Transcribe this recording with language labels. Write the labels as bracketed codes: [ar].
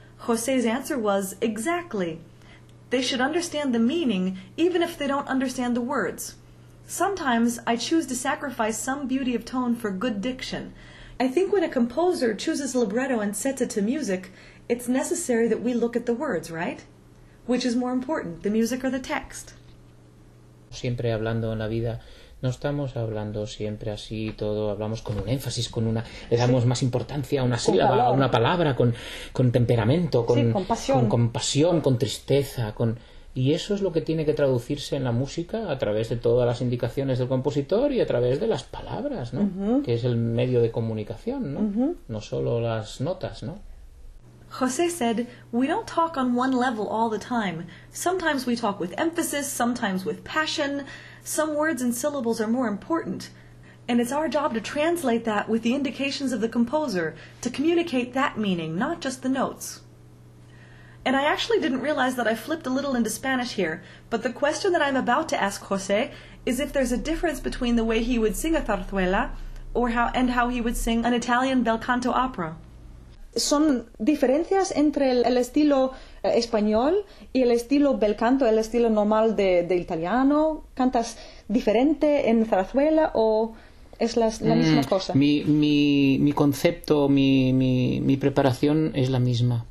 [en] Jose's answer was, "Exactly. They should understand the meaning even if they don't understand the words. Sometimes I choose to sacrifice some beauty of tone for good diction. I think when a composer chooses a libretto and sets it to music, it's necessary that we look at the words, right? Which is more important, the music or the text?" [es] Siempre hablando en la vida, no estamos hablando siempre así todo, hablamos con un énfasis, con una, le damos más importancia a una sílaba, a una palabra, con temperamento, con pasión, con tristeza, con... Y eso es lo que tiene que traducirse en la música a través de todas las indicaciones del compositor y a través de las palabras, ¿no? Uh-huh. Que es el medio de comunicación, ¿no? Uh-huh. No solo las notas, ¿no? [en] José said, "We don't talk on one level all the time. Sometimes we talk with emphasis, sometimes with passion. Some words and syllables are more important. And it's our job to translate that with the indications of the composer, to communicate that meaning, not just the notes." And I actually didn't realize that I flipped a little into Spanish here, but the question that I'm about to ask José is if there's a difference between the way he would sing a zarzuela and how he would sing an Italian bel canto opera. [es] ¿Son diferencias entre el estilo español y el estilo bel canto, el estilo normal de italiano? ¿Cantas diferente en zarzuela o es la misma cosa? Mi concepto, mi preparación es la misma.